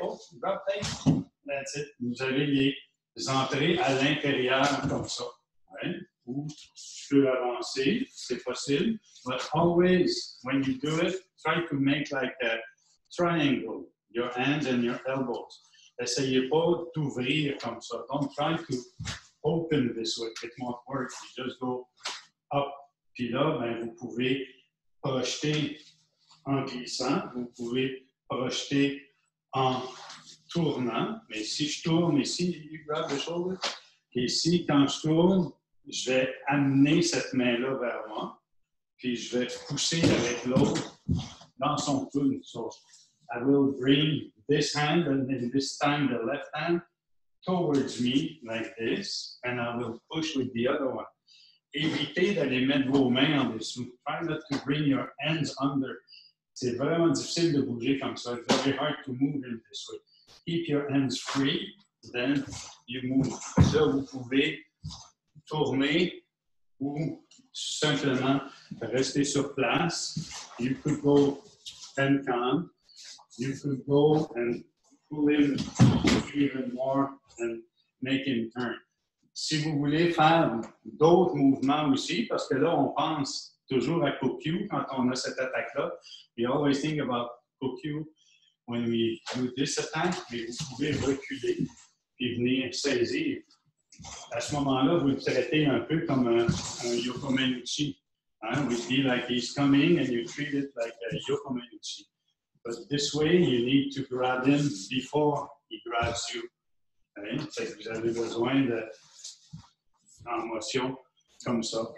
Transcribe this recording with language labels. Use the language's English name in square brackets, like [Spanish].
[English] Oh, grab that, that's it. [French] Vous avez les entrées à l'intérieur comme ça. Ou tu peux avancer, c'est possible. [English] But always, when you do it, try to make like a triangle, your hands and your elbows. [French] Essayez pas d'ouvrir comme ça. [English] Don't try to open this way. It won't work. You just go up. [French] Puis là, ben, vous pouvez projeter en glissant. Vous pouvez projeter en tournant. Mais si je tourne ici, [English] you grab the shoulder. [French] Et ici, quand je tourne, je vais amener cette main-là vers moi, puis je vais pousser avec l'autre dans son coude. [English] So, I will bring this hand, and then this time the left hand, towards me, like this, and I will push with the other one. [French] Évitez d'aller mettre vos mains en dessous. [English] Try not to bring your hands under. [French] C'est vraiment difficile de bouger comme ça. [English] It's very hard to move in this way. Keep your hands free, then you move. [French] Là, vous pouvez tourner ou simplement rester sur place. [English] You could go and come. You could go and pull him even more and make him turn. [French] Si vous voulez faire d'autres mouvements aussi, parce que là, on pense toujours à Cocu quand on a cette attaque-là. [English] We always think about Cocu when we do this attack, [French] mais vous pouvez reculer et venir saisir. À ce moment-là, vous le traitez un peu comme un Yokomenuchi. Hein? [English] We feel like he's coming and you treat it like a Yokomenuchi. But this way, you need to grab him before he grabs you. Right? [French] Vous avez besoin de en motion comme ça.